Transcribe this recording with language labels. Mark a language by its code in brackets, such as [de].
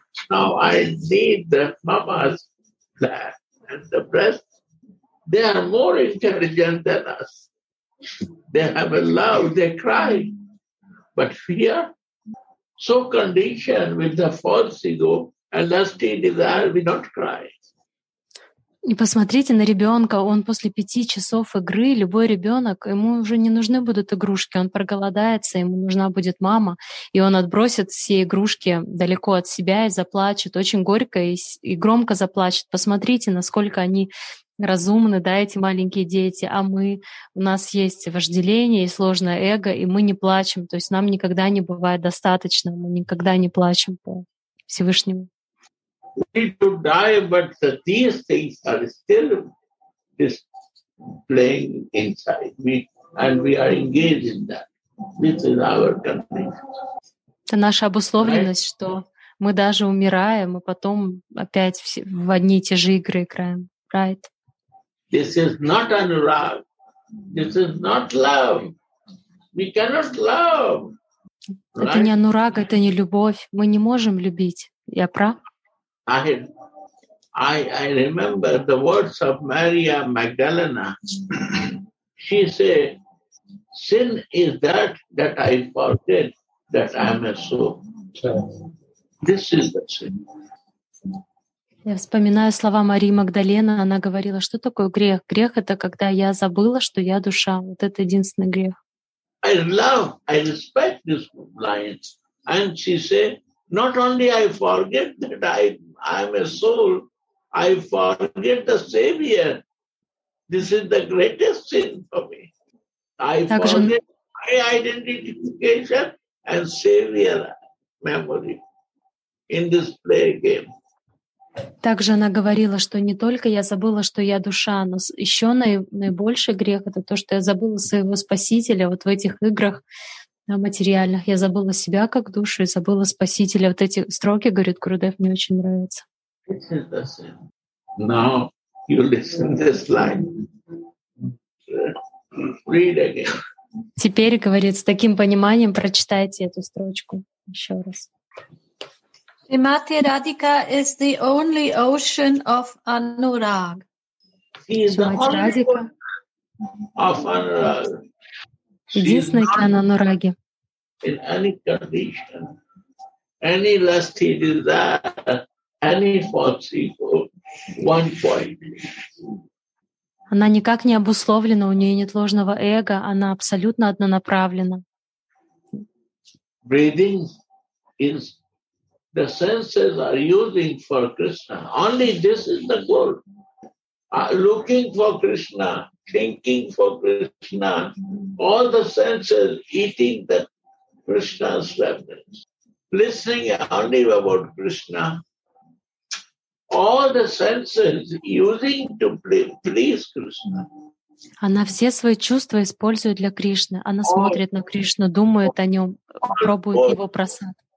[en] Now I need the mama's that and the breast. They are more intelligent than us. They have a love, they cry. But fear, so conditioned with the false ego and lusty desire, we don't cry. [ru] И посмотрите на ребенка, он после 5 часов игры, любой ребенок, ему уже не нужны будут игрушки, он проголодается, ему нужна будет мама, и он отбросит все игрушки далеко от себя и заплачет, очень горько и громко заплачет. Посмотрите, насколько они разумны, да, эти маленькие дети, а мы, у нас есть вожделение и сложное эго, и мы не плачем, то есть нам никогда не бывает достаточно, мы никогда не плачем по Всевышнему. [en] We could die, but these things are still displaying inside me, and we are engaged in that. This is our condition. [ru] Это наша обусловленность, [en] right? [ru] Что мы даже умираем, и потом опять все в одни и те же игры играем. [en] Right? This is not anurag. This is not love. We cannot love. Right? [ru] Это не анурага, это не любовь. Мы не можем любить. Я прав? [en] I remember the words of Maria Magdalena. She said, sin is that I forget that I am a soul. This is the sin. [ru] Я вспоминаю слова Марии Магдалены. Она говорила, что такое грех? Грех — это когда я забыла, что я душа. Вот это единственный грех. [en] I love, I respect this line. And she said, not only I forget that I'm a soul, I forget the Savior. This is the greatest sin for me. I forget my identification and Savior memory in this play game. [ru] Также она говорила, что не только я забыла, что я душа, но еще наибольший грех — это то, что я забыла своего Спасителя вот в этих играх материальных. Я забыла себя как душу и забыла Спасителя. Вот эти строки, говорит Гурудев, мне очень нравятся. [en] This is the sin. Now you listen this line. Read again. [ru] Теперь, говорит, с таким пониманием прочитайте эту строчку еще раз. [en] Shrimati Radhika is the only ocean of anurag. He is the only one of anurag. [ru] Единственный океан Анураги. [en] In any condition, any lusty desire, any false ego, one point. [ru] Она никак не обусловлена, у нее нет ложного эго, она абсолютно однонаправлена. [en] Breathing is the senses are using for Krishna. Only this is the goal. Looking for Krishna. Thinking for Krishna, all the senses, eating the Krishna's remnants, listening only about Krishna, all the senses using to please Krishna. [ru] Она все свои чувства использует для Кришны. Она смотрит на Кришну, думает о нем, пробует его просад.